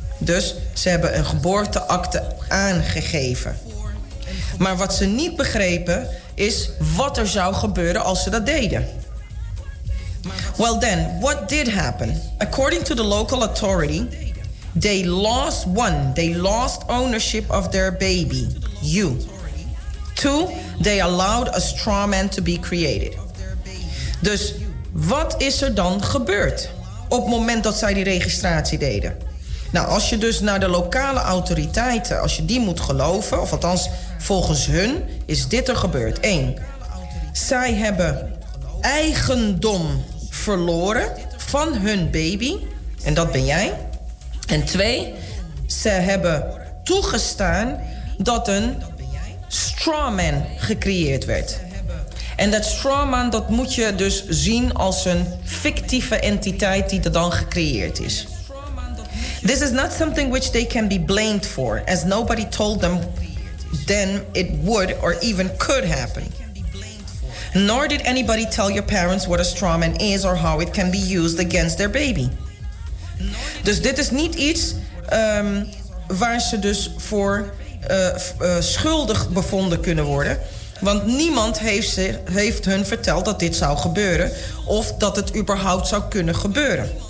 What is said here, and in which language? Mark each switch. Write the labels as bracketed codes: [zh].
[nl] Dus ze hebben een geboorteakte aangegeven. Maar wat ze niet begrepen is wat er zou gebeuren als ze dat deden. [en] Well then, what did happen? According to the local authority, they lost ownership of their baby, you. Two, they allowed a straw man to be created. [nl] Dus wat is er dan gebeurd op het moment dat zij die registratie deden? Nou, als je dus naar de lokale autoriteiten, als je die moet geloven, of althans volgens hun, is dit er gebeurd. 1. Zij hebben eigendom verloren van hun baby, en dat ben jij. En 2. Ze hebben toegestaan dat een strawman gecreëerd werd. En dat strawman, dat moet je dus zien als een fictieve entiteit die er dan gecreëerd is. [en] This is not something which they can be blamed for, as nobody told them then it would or even could happen. Nor did anybody tell your parents what a strawman is or how it can be used against their baby. [nl] Dus dit is niet iets waar ze dus voor schuldig bevonden kunnen worden. Want niemand heeft hun verteld dat dit zou gebeuren of dat het überhaupt zou kunnen gebeuren.